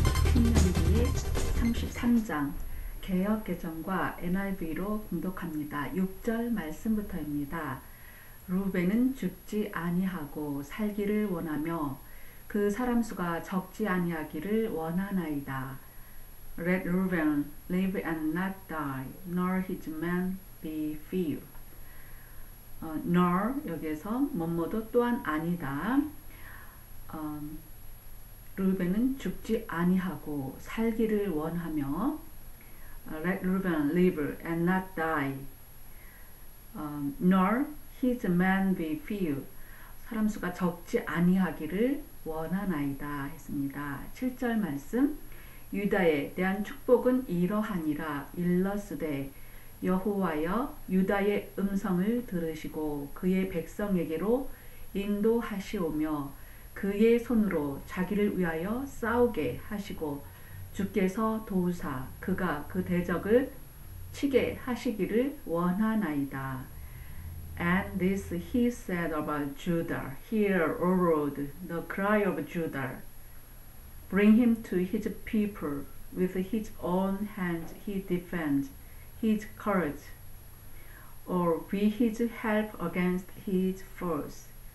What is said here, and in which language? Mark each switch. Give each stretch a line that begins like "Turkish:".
Korean: 3장 개혁개정과 NIV로 공독합니다. 6절 말씀부터입니다. 루벤은 죽지 아니하고 살기를 원하며 그 사람 수가 적지 아니하기를 원하나이다.
English: Let Reuben live and not die, nor his men be few.
Korean: Nor 여기에서 뭐뭐도 또한 아니다. 루벤은 죽지 아니하고 살기를 원하며
English: Let Reuben live and not die, nor his men be few.
Korean: 사람 수가 적지 아니하기를 원하나이다 했습니다. 7절 말씀 유다에 대한 축복은 이러하니라 일러스되 여호와여 유다의 음성을 들으시고 그의 백성에게로 인도하시오며 그의 손으로 자기를 위하여 싸우게 하시고 주께서 도우사 그가 그 대적을 치게 하시기를 원하나이다. And this he said about Judah, Hear, O Lord, the cry of Judah. Bring him to his people, with his own hand he defends his courage, or be his help against his foes.